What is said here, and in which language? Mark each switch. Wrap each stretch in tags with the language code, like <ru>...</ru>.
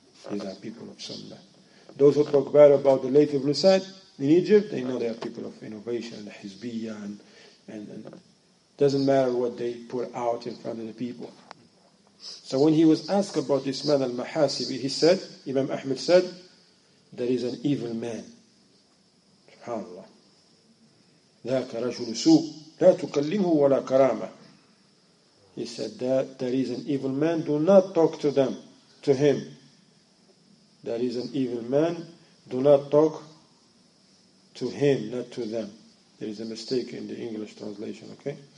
<en>These are people of Sunnah. Those who talk bad about the Al-Layth ibn Sa'd in Egypt, they know they are people of innovation, and Hizbiyyah, and doesn't matter what they put out in front of the people. So when he was asked about this man Al-Mahasibi, he said, Imam Ahmad said, there is an evil man. SubhanAllah.</en> <ar>ذاك رجل سوء لا تكلمه ولا كرامة.</ar> <en>He said that there is an evil man, do not talk to them, to him. There is an evil man, do not talk to him, not to them. There is a mistake in the English translation, okay?</en>